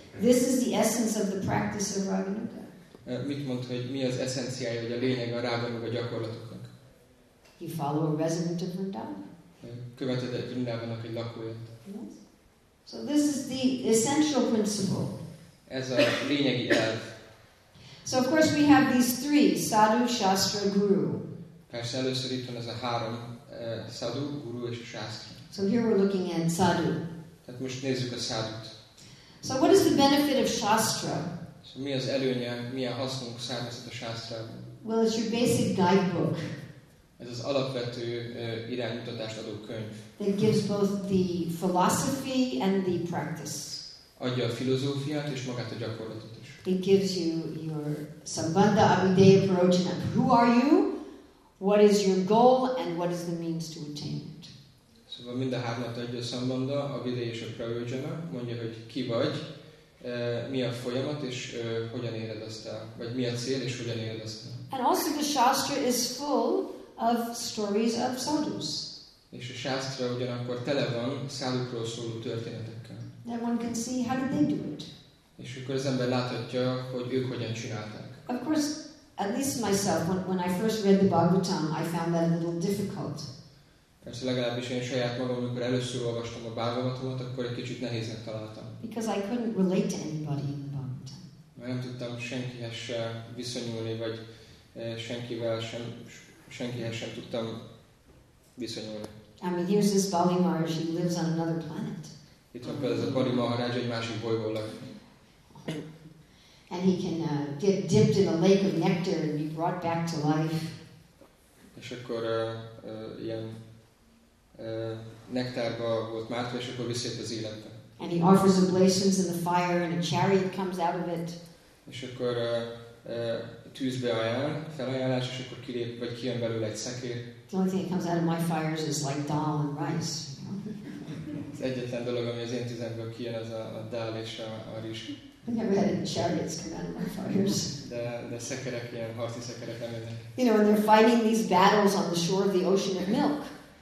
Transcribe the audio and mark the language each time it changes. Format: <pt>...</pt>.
<en>This is the essence of the practice of Raghunuga.</en> <hu>Mit mond, hogy mi az eszenciája, vagy a lényeg a Raghunuga gyakorlatoknak?</hu> <en>You follow a resident of Vrindavan.</en> <hu>Követed egy Vrindavannak egy lakóját.</hu> <en>Yes. So this is the essential principle.</en> <hu>Ez a lényegi elv.</hu> <en>So of course we have these three, sadhu, shastra, guru.</en> <hu>Persze először itt van ez a három, sadhu, guru és a shastra.</hu> <en>So here we're looking at sadhu.</en> <hu>Tehát most nézzük a sadhut.</hu> <en>So what is the benefit of shastra?</en> <hu>So mi az előnye, mi a hasznunk számít a shastrában?</hu> <en>Well, it's your basic guidebook.</en> <hu>Ez az alapvető iránymutatást adó könyv.</hu> <en>That gives both the philosophy and the practice.</en> <hu>Adja a filozófiát és magát a gyakorlatot is.</hu> <en>It gives you your sambandha abhideya parojana. Who are you? What is your goal and what is the means to attain it?</en> <hu>Szóval mind a hármat adja a sambandha, abhideya és a parojana. Mondja, hogy ki vagy, mi a folyamat és hogyan éred azt el, vagy mi a cél és hogyan éred azt el.</hu> <en>And also the shastra is full of stories of sadhus.</en> <hu>És a shastra ugyanakkor tele van sadhukról szóló történetekkel.</hu> <en>Then one can see how did they do it.</en> <hu>És akkor az ember láthatja, hogy ők hogyan csinálták.</hu> <en>Of course, at least myself, when I first read the Bhagavatam, I found that a little difficult.</en> <hu>Persze legalábbis én saját magam, amikor először olvastam a Bhagavatamot, akkor egy kicsit nehéznek találtam.</hu> <en>Because I couldn't relate to anybody in the Bhagavatam.</en> <hu>Mert nem tudtam senkihez se viszonyulni, vagy senkivel sem, senkihez sem tudtam viszonyulni.</hu> <en>I mean, here's this Bali Maharaj, he lives on another planet.</en> <hu>Itt van például ez a Bali Maharaj egy másik bolygón lakik.</hu> <en>And he can get dipped in a lake of nectar and be brought back to life.</en> <hu>És akkor ilyen nektárba volt mártva, és akkor visszajött az életbe.</hu> <en>And he offers oblations in the fire and a chariot comes out of it.</en> <hu>És akkor tűzbe ajánl, felajánlás, és akkor kilép, vagy kijön belőle egy szekér.</hu> <en>The only thing that comes out of my fires is like dal and rice.</en> <hu>Egyetlen dolog, ami az én tüzemből kijön, az a dál és a rizs.</hu> <en>I never had any chariots come out of my fires.</en> <hu>De szekerek, ilyen harci szekerek emelnek.</hu> <en>You know, when they're fighting these battles on the shore of the ocean of milk.</en>